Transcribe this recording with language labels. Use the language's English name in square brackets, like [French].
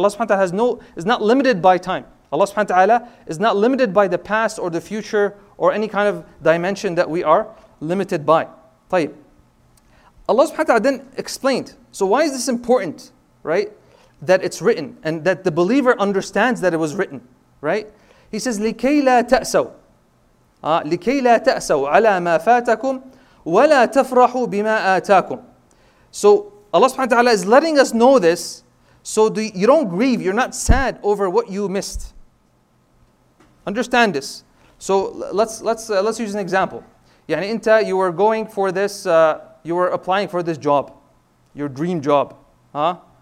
[English] Allah subhanahu wa ta'ala is not limited by time. Allah subhanahu wa ta'ala is not limited by the past or the future or any kind of dimension that we are limited by. طيب. Allah subhanahu wa ta'ala then explained. So why is this important, right? That it's written and that the believer understands that it was written, right? He says, [Arabic] لِكَيْ لَا تَأْسَوْ لِكَيْ لَا تَأْسَوْ عَلَى مَا فَاتَكُمْ وَلَا تَفْرَحُوا بِمَا آتَاكُمْ. [English] So Allah subhanahu wa ta'ala is letting us know this so you don't grieve, you're not sad over what you missed. Understand this. So let's use an example. [Arabic] يعني انت, [English] you were going for this, you were applying for this job, your dream job, huh?